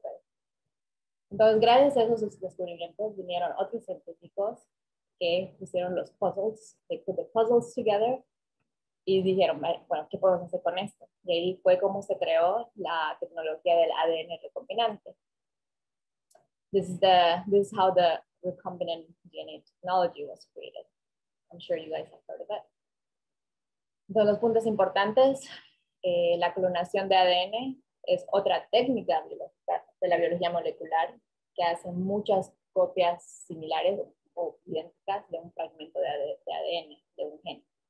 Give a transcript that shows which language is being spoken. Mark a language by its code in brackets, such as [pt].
[es] Pues, entonces, gracias a esos descubrimientos, vinieron otros científicos que pusieron los puzzles, [en] they put the puzzles together, [es] y dijeron, bueno, ¿qué podemos hacer con esto? Y ahí fue como se creó la tecnología del ADN recombinante. [en] This is how the recombinant DNA technology was created. I'm sure you guys have heard of that. [es] Entonces, los puntos importantes, la clonación de ADN es otra técnica de la biología molecular que hace muchas copias similares o idénticas de un fragmento de ADN, de un gen.